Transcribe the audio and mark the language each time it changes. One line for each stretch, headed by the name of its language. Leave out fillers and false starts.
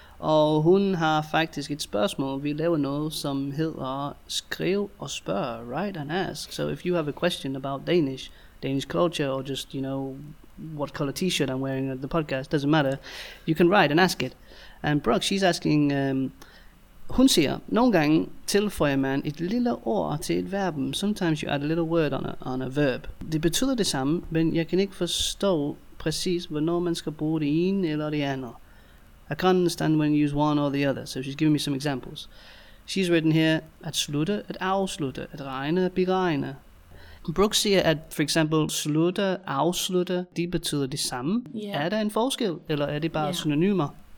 Danish: Og hun har faktisk et spørgsmål. Vi laver noget, som hedder skriv og spørg,
English: write and ask. So if you have a question about Danish culture, or just, you know, what color t-shirt I'm wearing at the podcast, doesn't matter, you can write and ask it. And Brooke, she's asking,
Danish: hun siger, nogle gange tilføjer man et lille ord til et verb.
English: Sometimes you add a little word on a verb.
Danish: Det betyder det samme, men jeg kan ikke forstå præcis, hvornår man skal bruge det ene eller det andet.
English: I can't understand when you use one or the other. So she's giving me some examples. She's written here,
Danish: at slutte, at afslutte, at regne, at beregne. Brooke siger, at for eksempel slutte, afslutte, de betyder det samme.
English: Yeah.
Danish: Er der en forskel, eller er det bare synonymer?